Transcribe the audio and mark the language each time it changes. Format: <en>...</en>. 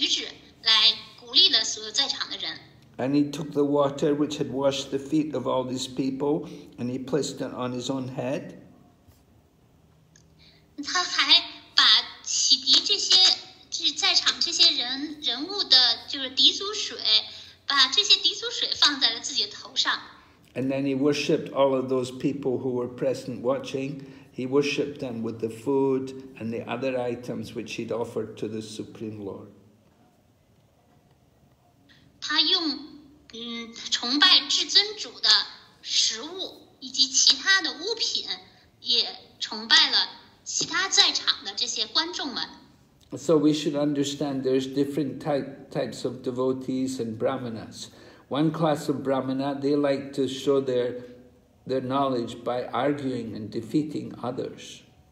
<zh>他以这种方式鼓励了所有在场的人，他是用他的动听的话语以及他彬彬有礼的举止来鼓励了所有在场的人。</zh> <en>And he took the water which had washed the feet of all these people, and he placed it on his own head.</en> <zh>他还把洗涤这些在场这些人物的就是涤足水，把这些涤足水放在了自己的头上。</zh> <en>And then he worshipped all of those people who were present watching. He worshipped them with the food and the other items which he'd offered to the Supreme Lord.</en> <zh>他用崇拜至尊主的食物以及其他的物品，也崇拜了其他在场的这些观众们。</zh> <en>So we should understand there's different types of devotees and brahmanas. One class of Brahmana, they like to show their knowledge by arguing and defeating others.</en>